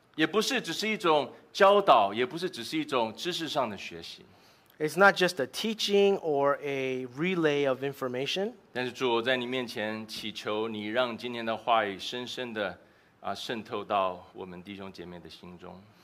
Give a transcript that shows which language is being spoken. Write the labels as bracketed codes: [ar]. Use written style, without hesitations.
[zh] 也不是只是一种教导也不是只是一种知识上的学习 [en] It's not just a teaching or a relay of information. [zh] 但是主，我在你面前祈求你让今天的话语深深的渗透到我们弟兄姐妹的心中。